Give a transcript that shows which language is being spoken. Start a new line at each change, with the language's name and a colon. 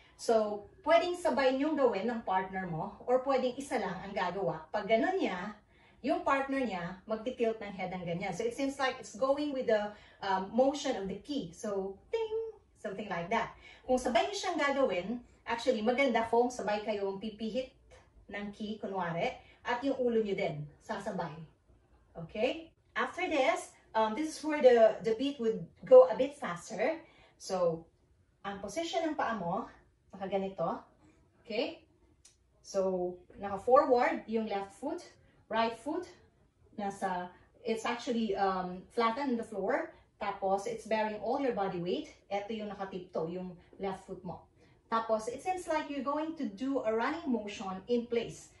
Filipino: So, pwedeng sabay niyong gawin ng partner mo or pwedeng isa lang ang gagawa. Pag ganun niya, yung partner niya magti-tilt ng head ng ganyan.
English: So, it seems like it's going with the motion of the key.
Filipino: So, ting! Something like that. Kung sabay niyo siyang gagawin, actually, maganda kung sabay kayong pipihit ng key, kunwari, at yung ulo niyo din, sasabay. Okay?
English: After this, this is where the beat would go a bit faster.
Filipino: So, ang position ng paa mo, nakaganito.
English: Okay? So, naka-forward yung left foot, right foot, nasa, it's actually flattened on the floor, tapos it's bearing all your body weight.
Filipino: Ito yung nakatiptoe, yung left foot mo. Tapos,
English: it seems like you're going to do a running motion in place.